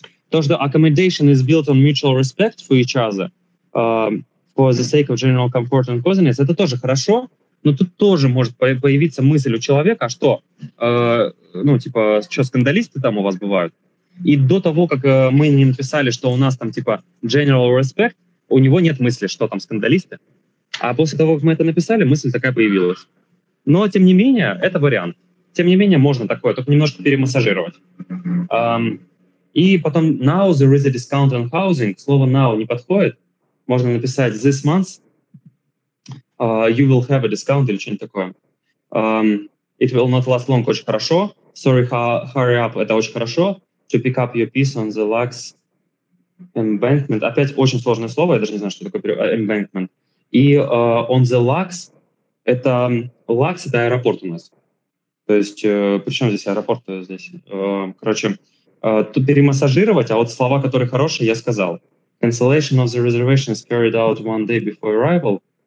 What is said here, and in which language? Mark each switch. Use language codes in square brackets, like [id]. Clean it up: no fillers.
[ru] То, что [en] accommodation is built on mutual respect for each other for the sake of general comfort and cozyness, [ru] это тоже хорошо, но тут тоже может появиться мысль у человека, а что, ну, типа, что, скандалисты там у вас бывают? И до того, как мы не написали, что у нас там, типа, [en] general respect, [ru] у него нет мысли, что там скандалисты. А после того, как мы это написали, мысль такая появилась. Но, тем не менее, это вариант. тем не менее, можно такое, только немножко перемассажировать. И потом [en] now there is a discount on housing. [ru] Слово now не подходит. Можно написать [en] this month you will have a discount [ru] или что-нибудь такое. [en] It will not last long. [ru] Очень хорошо. [en] Sorry, hurry up. [ru] Это очень хорошо. [en] To pick up your piece on the Lux embankment. [ru] Опять очень сложное слово. Я даже не знаю, что такое embankment. И on the Lux это Lux это аэропорт у нас. То есть при чем здесь аэропорт? Здесь, короче, тут перемассажировать. А вот слова, которые хорошие, я сказал. [en] Cancellation of the reservation is carried out one day before arrival.